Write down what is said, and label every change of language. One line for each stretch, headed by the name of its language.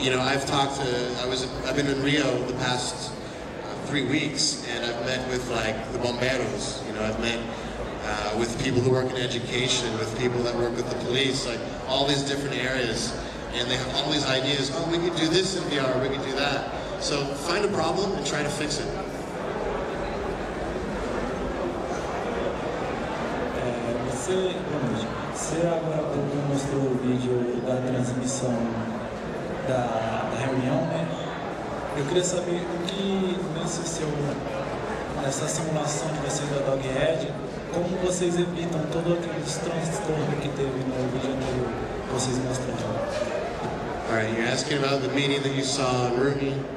English: you know, I've talked to, I've been in Rio the past 3 weeks, and I've met with like the bomberos, you know, I've met with people who work in education, with people that work with the police, like all these different areas, and they have all these ideas, oh, we could do this in VR, we could do that. So find a problem and try to fix it.
Portuguese: Você agora mostrou o vídeo da transmissão da reunião, né? Eu queria saber o que nessa simulação de vocês da Doghead, como vocês evitam todo aquele transtorno que teve no vídeo anterior que vocês mostraram.
English: Alright, you're asking about the meeting that you saw in Ruby.